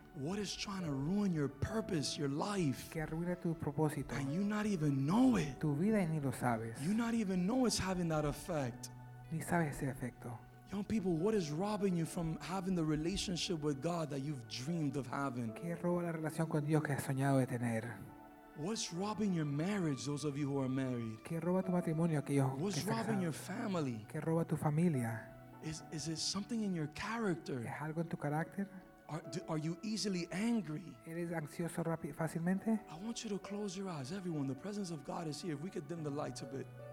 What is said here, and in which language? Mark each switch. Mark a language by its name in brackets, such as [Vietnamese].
[English] What is trying to ruin your purpose, your life? [Spanish] Que arruina tu propósito. [English] And you not even know it. [Spanish] Tu vida ni lo sabes. [English] You not even know it's having that effect. [Spanish] Ni sabes ese efecto. [English] Young people, what is robbing you from having the relationship with God that you've dreamed of having? [Spanish] Que roba la relación con Dios que has soñado de tener. [English] What's robbing your marriage, those of you who are married? [Spanish] Que roba tu matrimonio, aquellos que están casados. [English] Robbing your family? [Spanish] Que roba tu familia. [English] Is it something in your character? [Spanish] ¿Es algo en tu carácter? [English] Are you easily angry? [Spanish] ¿Eres ansioso rápido, fácilmente? [English] I want you to close your eyes, everyone. The presence of God is here. If we could dim the lights a bit.